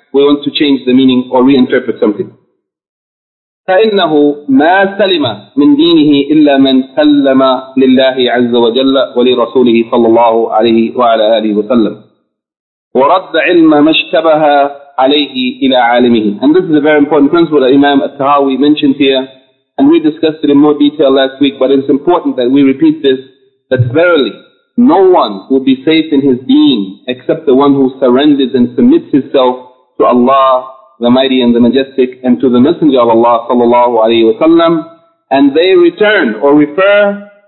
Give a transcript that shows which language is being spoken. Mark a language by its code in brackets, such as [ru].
[en] We want to change the meaning or reinterpret something. [ar] فإنه ما سلم من دينه إلا من سلم لله عز وجل ولرسوله صلى الله عليه وعلى آله وسلم ورد علم ما اشتبه عليه إلى عالمه. [en] And this is a very important principle that Imam At-Tahawi mentioned here, and we discussed it in more detail last week, but it's important that we repeat this, that verily no one will be safe in his deen except the one who surrenders and submits himself to Allah the Mighty and the Majestic, and to the Messenger of Allah sallallahu alayhi wa sallam, and they return or refer